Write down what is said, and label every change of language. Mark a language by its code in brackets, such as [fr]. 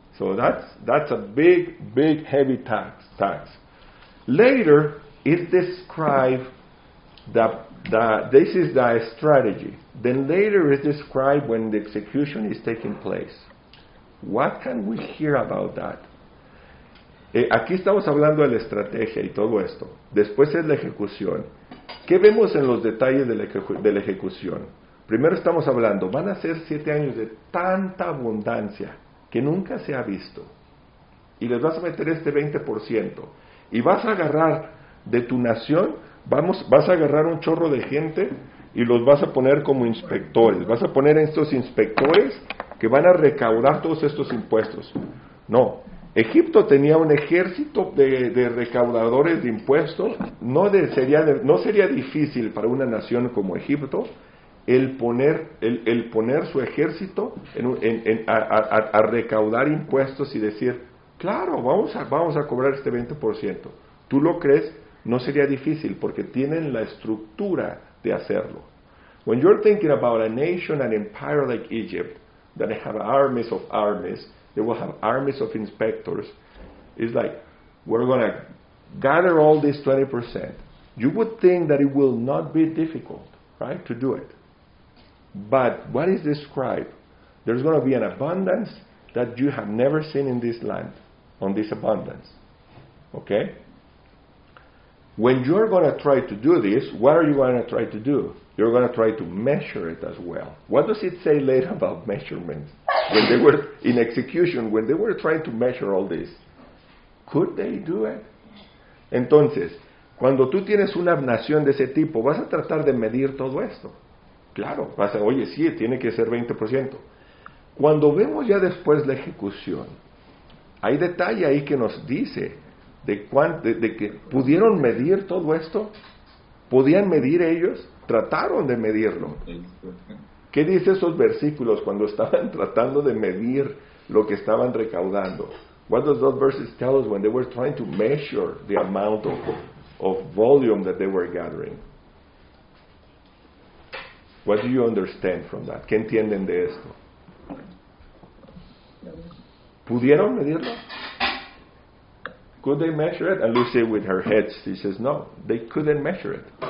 [en] So that's a big, big, heavy tax. Later, it describes this is the strategy. Then later it described when the execution is taking place. What can we hear about that? [es] Aquí estamos hablando de la estrategia y todo esto. Después es la ejecución. ¿Qué vemos en los detalles de la ejecución? Primero estamos hablando, van a ser 7 años de tanta abundancia que nunca se ha visto. Y les vas a meter este 20%. Y vas a agarrar de tu nación, vas a agarrar un chorro de gente y los vas a poner como inspectores. Vas a poner a estos inspectores que van a recaudar todos estos impuestos. No. Egipto tenía un ejército de recaudadores de impuestos. No sería difícil para una nación como Egipto el poner su ejército a recaudar impuestos y decir, claro, vamos a cobrar este 20%. ¿Tú lo crees? No sería difícil porque tienen la estructura de hacerlo. [en] When you're thinking about a nation, an empire like Egypt, that have armies, they will have armies of inspectors, it's like, we're going to gather all this 20%. You would think that it will not be difficult, right, to do it. But what is described? There's going to be an abundance that you have never seen in this land, on this abundance. Okay? When you're going to try to do this, what are you going to try to do? You're going to try to measure it as well. What does it say later about measurements? When they were in execution, when they were trying to measure all this, could they do it? [es] Entonces, cuando tú tienes una nación de ese tipo, vas a tratar de medir todo esto. Claro, vas a, oye, sí, tiene que ser 20%. Cuando vemos ya después la ejecución, hay detalle ahí que nos dice de que pudieron medir todo esto, podían medir ellos, trataron de medirlo. ¿Qué dice esos versículos cuando estaban tratando de medir lo que estaban recaudando? [en] What does those verses tell us when they were trying to measure the amount of volume that they were gathering? What do you understand from that? [es] ¿Qué entienden de esto? ¿Pudieron medirlo? [en] Could they measure it? And Lucy with her head, she says, no, they couldn't measure it.